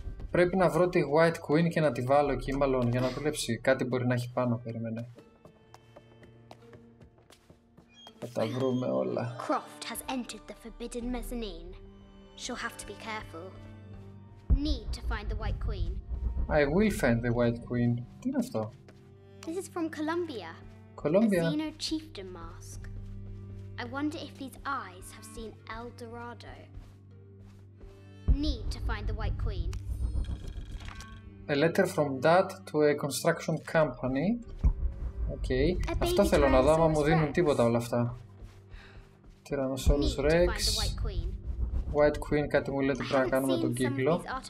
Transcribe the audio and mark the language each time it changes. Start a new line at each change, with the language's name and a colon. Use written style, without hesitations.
Greek: Πρέπει να βρω τη White Queen και να τη βάλω εκεί μάλλον για να δουλέψει. Κάτι μπορεί να έχει πάνω, περίμενε. Θα τα βρούμε όλα.
English: Croft has entered the forbidden mezzanine. She'll have to be careful. Need to find the White Queen. I will find the White Queen.
Greek: Τι είναι αυτό?
English: This is from Colombia. Colombia. A Xeno chieftain mask. I wonder if these eyes have seen El Dorado. Need to find the White Queen. A letter from Dad to a construction company. Okay. A
Greek: αυτό θέλω να δω, άμα μου δίνουν τίποτα όλα αυτά. Tyrannosaurus Rex. White Queen, κάτι μου λέει ότι πρέπει να κάνουμε τον κύκλο.